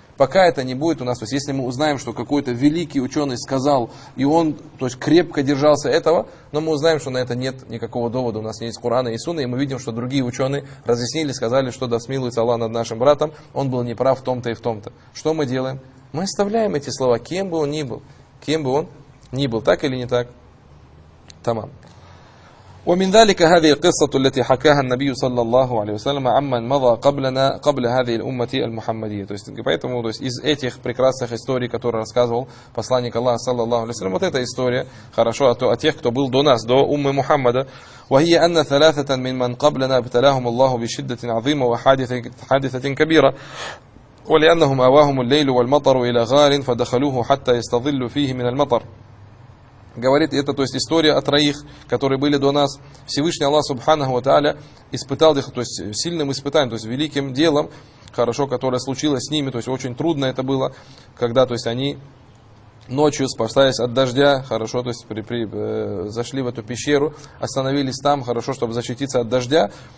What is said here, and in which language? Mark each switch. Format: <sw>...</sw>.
<ru>Пока это не будет у нас, то есть если мы узнаем, что какой-то великий ученый сказал, и он, то есть крепко держался этого, но мы узнаем, что на это нет никакого довода, у нас нет Курана и Сунны, и мы видим, что другие ученые разъяснили, сказали, что да смилуется Аллах над нашим братом, он был неправ в том-то и в том-то. Что мы делаем? Мы оставляем эти слова, кем бы он ни был, кем бы он ни был, так или не так? Тамам.</ru> <ar>ومن ذلك هذه القصة التي حكاها النبي صلى الله عليه وسلم عمن مضى قبلنا قبل هذه الأمة المحمدية.</ar> <ru>То есть поэтому то есть из этих прекрасных историй, которые рассказывал посланник Аллаха</ru> <ar>صلى الله عليه وسلم,</ar> <ru>вот эта история хорошо о тех, кто был до нас, до уммы Мухаммада.</ru> <ar>وهي أن ثلاثة من من قبلنا ابتلاهم الله بشدة عظيمة وحادثة كبيرة ولأنهم أواهم الليل والمطر إلى غار فدخلوه حتى يستظل فيه من المطر.</ar> <ru>Говорит, это то есть история о троих, которые были до нас. Всевышний Аллах Субханаху ва Тааля испытал их, то есть сильным испытанием, то есть великим делом, хорошо, которое случилось с ними, то есть очень трудно это было, когда то есть они ночью, спасаясь от дождя, хорошо, то есть зашли в эту пещеру, остановились там, хорошо, чтобы защититься от дождя.</ru>